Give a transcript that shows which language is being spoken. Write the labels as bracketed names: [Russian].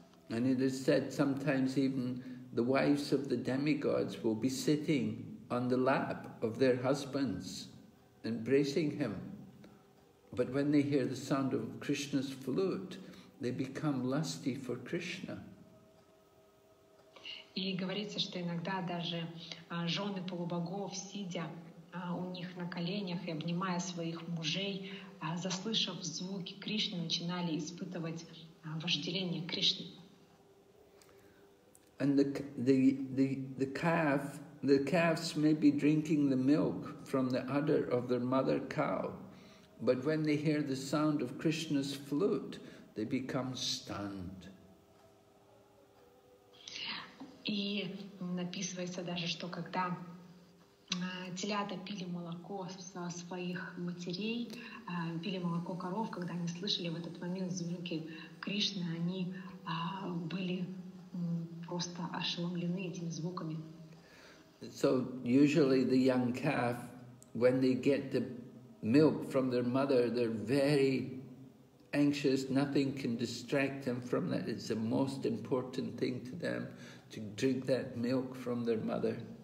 [English] And it is said sometimes even the wives of the demigods will be sitting on the lap of their husbands, embracing him. But when they hear the sound of Krishna's flute, they become lusty for Krishna. [Russian] И говорится, что иногда даже жены полубогов, сидя у них на коленях и обнимая своих мужей, заслышав звуки Кришны, начинали испытывать вожделение Кришны. [English] And the calves may be drinking the milk from the udder of their mother cow, but when they hear the sound of Krishna's flute, they become stunned. [Russian] И написывается даже, что когда телята пили молоко со своих матерей, пили молоко коров, когда они слышали в этот момент звуки Кришны, они были просто ошеломлены этими звуками. [English] So usually the young calf, when they get the milk from their mother, they're very anxious. Nothing can distract them from that. It's the most important thing to them to drink that milk from their mother.